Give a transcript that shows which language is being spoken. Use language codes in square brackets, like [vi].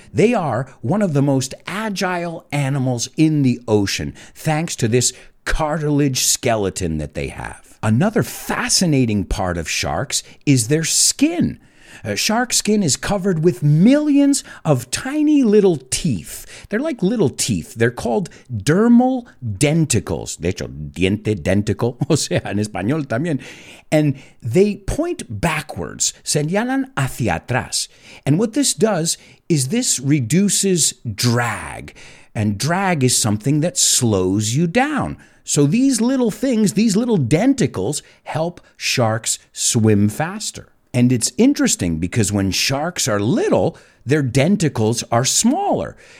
[en] They are one of the most agile animals in the ocean, thanks to this cartilage skeleton that they have. Another fascinating part of sharks is their skin. Shark skin is covered with millions of tiny little teeth. They're like little teeth. They're called dermal denticles. [es] De hecho, diente, denticle, o sea, en español también. [en] And they point backwards, [es] señalan hacia atrás. [en] And what this does is this reduces drag. And drag is something that slows you down. So these little things, these little denticles, help sharks swim faster. And it's interesting because when sharks are little, their denticles are smaller.